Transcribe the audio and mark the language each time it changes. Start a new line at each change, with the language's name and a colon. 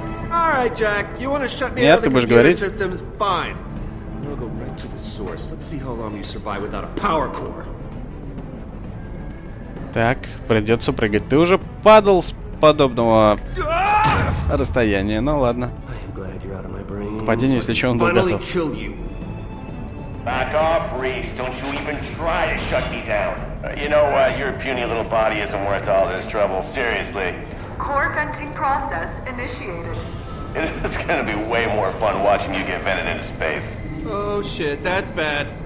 English: All right, Jack, you want to shut me out of the computer systems? Fine. Then I'll go right to the source. Let's see how long you survive without a power core.
Russian: Так, придется прыгать. Ты уже падал с подобного расстояния. Ну ладно. К падению, если что, он был готов.
English: Back off, Reese. Don't you even try to shut me down. You know what? Your puny little body isn't worth all this trouble. Seriously. Core venting process initiated. It's gonna be way more fun watching you get vented into space. Oh shit, that's bad.